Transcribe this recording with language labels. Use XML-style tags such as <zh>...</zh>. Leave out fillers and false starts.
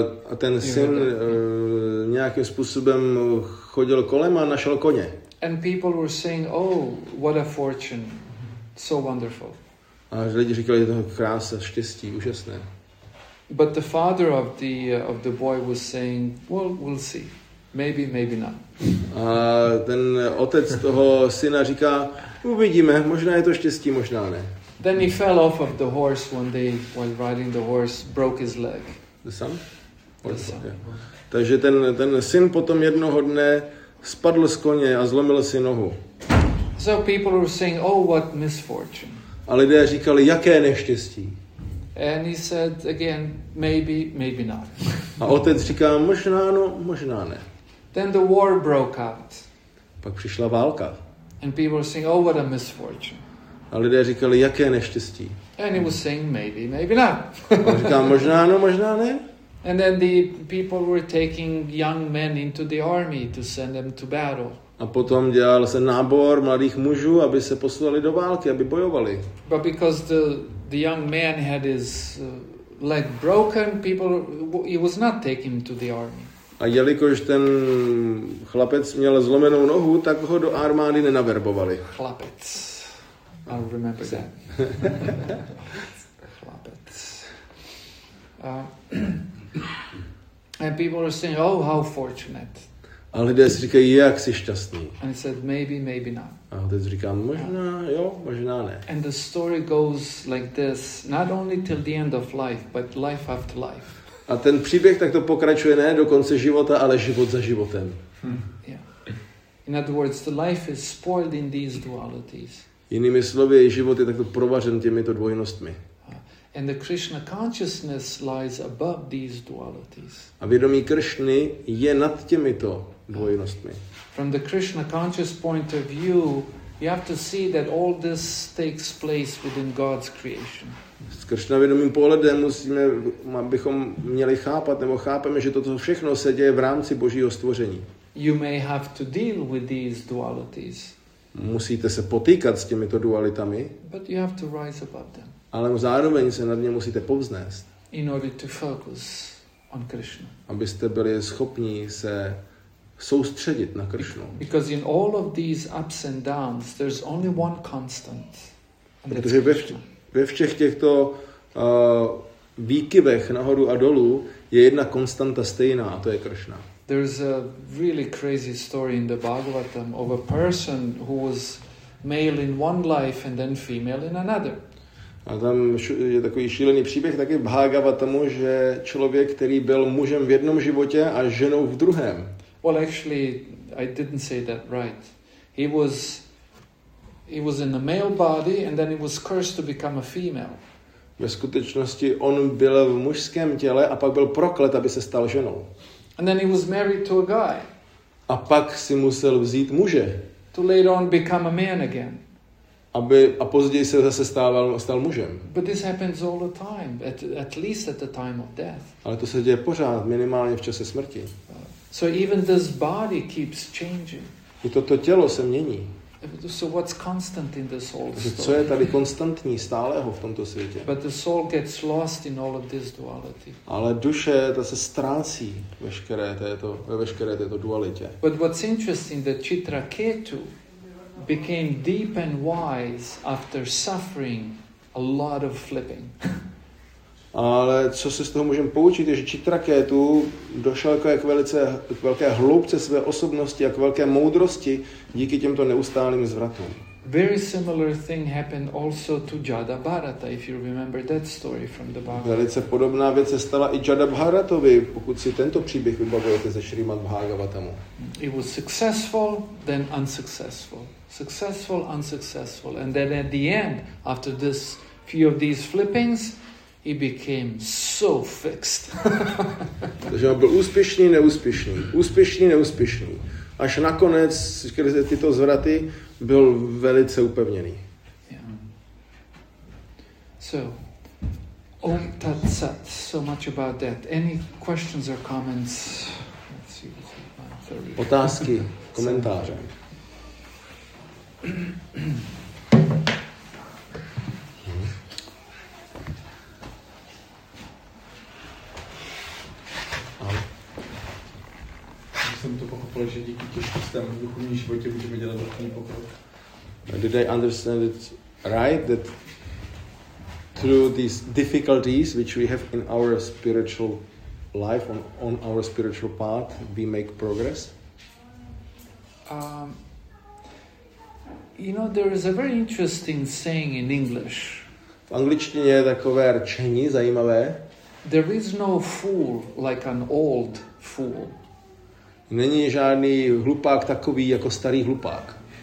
<cs>A ten syn nějakým způsobem chodil kolem a našel koně.</cs> <en>And people were saying, "Oh, what a fortune! So wonderful."</en> <cs>A lidi říkali, že to je krása, štěstí, úžasné.</cs> <en>But the father of the boy was saying, "Well, we'll see. Maybe, maybe not."</en> <cs>A ten otec toho syna říká, uvidíme, možná je to štěstí, možná ne.</cs> <en>Then he fell off of the horse one day while riding the horse, broke his leg. The son? The son. Yeah.</en> <cs>Takže ten syn potom jednoho dne spadl z koně a zlomil si nohu.</cs> <en>So people were saying, oh, what misfortune.</en> <cs>A lidé říkali, jaké neštěstí.</cs> <en>And he said again, maybe, maybe not.</en> <cs>A otec říká, možná ano, možná ne.</cs> <en>Then the war broke out.</en> <cs>Pak přišla válka.</cs> <en>And people were saying, oh, what a misfortune.</en> <cs>A lidé říkali, jaké neštěstí.</cs> <en>And he was saying, maybe, maybe not.</en> <cs>A říká, možná ano, možná ne.</cs> <en>And then the people were taking young men into the army to send them to battle.</en> <cs>A potom dělal se nábor mladých mužů, aby se poslali do války, aby bojovali.</cs> <en>But because the young man had his leg broken, he was not taken to the army.</en> <cs>A jelikož ten chlapec měl zlomenou nohu, tak ho do armády nenaverbovali.</cs> <en>Chlapec. I remember that. Chlapec. And people are saying, "Oh, how fortunate."</en> <cs>A lidé si říkají, jak jsi šťastný.</cs> <en>And said, "Maybe, maybe not."</en> <cs>A teď říkám, možná jo, možná ne.</cs> <en>And the story goes like this, not only till the end of life, but life after life.</en> <cs>A ten příběh takto pokračuje ne do konce života, ale život za životem.</cs> <en>In other words, the life is spoiled in these dualities.</en> <cs>Jinými slovy, život je takto provařen těmito dvojnostmi.</cs> <en>And the Krishna consciousness lies above these dualities.</en> <cs>A vědomí Kršny je nad těmito dvojnostmi.</cs> <en>From the Krishna conscious point of view, you have to see that all this takes place within God's creation.</en> <cs>S Krishna vědomým pohledem musíme, bychom měli chápat, nebo chápeme, že toto všechno se děje v rámci Božího stvoření.</cs> <en>You may have to deal with these dualities.</en> <cs>Musíte se potýkat s těmito dualitami.</cs> <en>But you have to rise above them.</en> <cs>Ale zároveň se nad ně musíte povznést.</cs> <en>In order to focus on Krishna.</en> <cs>Abyste byli schopni se soustředit na Krishnu.</cs> <en>Because in all of these ups and downs, there's only one constant.</en> <cs>Protože ve všech těchto výkyvech nahoru a dolů je jedna konstanta stejná, a to je Krishna.</cs> <en>There's a really crazy story in the Bhagavatam of a person who was male in one life and then female in another.</en> <cs>A tam je takový šílený příběh taky v Bhagavatamu, že člověk, který byl mužem v jednom životě a ženou v druhém.</cs> <en>Well, actually, I didn't say that right. He was in a male body and then he was cursed to become a female.</en> <cs>Ve skutečnosti on byl v mužském těle a pak byl proklet, aby se stal ženou.</cs> <en>And then he was married to a guy.</en> <cs>A pak si musel vzít muže.</cs> <en>To later on become a man again.</en> <cs>A později se zase stal mužem.</cs> <en>But this happens all the time, at least at the time of death.</en> <cs>Ale to se děje pořád, minimálně v čase smrti.</cs> <en>So even this body keeps changing.</en> <cs>I toto tělo se mění.</cs> <en>So what's constant in this whole story?</en> <cs>Co je tady konstantní stáleho v tomto světě?</cs> <en>But the soul gets lost in all of this duality.</en> <cs>Ale duše ta se ztrácí ve veškeré této dualitě.</cs> <en>But what's interesting that Chitraketu became deep and wise after suffering a lot of flipping.</en> <cs>Ale co se z toho můžeme poučit, je, že Chitraketu došel k velké hloubce své osobnosti a k velké moudrosti díky těmto neustálým zvratům.</cs> <en>Very similar thing happened also to Jada Bharata, if you remember that story from the Bhagavad.</en> <cs>Velice podobná věc se stala i Jada Bharatovi, pokud si tento příběh vybavujete ze Srimad Bhagavatamu.</cs> <en>It was successful, then unsuccessful. Successful, unsuccessful. And then at the end, after this few of these flippings, he became so fixed.</en> <cs>Takže on byl úspěšný, neúspěšný. Úspěšný, neúspěšný. Až nakonec, když se tyto zvraty, byl velice upevněný.</cs> <en>Yeah. So, Om Tat Sat, so much about that. Any questions or comments? Let's see.</en> <cs>Otázky, komentáře.</cs> <en>Did I understand it right that through these difficulties which we have in our spiritual life on our spiritual path we make progress? You know, there is a very interesting saying in English.</en> <cs>V angličtině je takové řečení zajímavé.</cs> <en>There is no fool like an old fool.</en> <cs>Není žádný hlupák takový jako starý hlupák.</cs>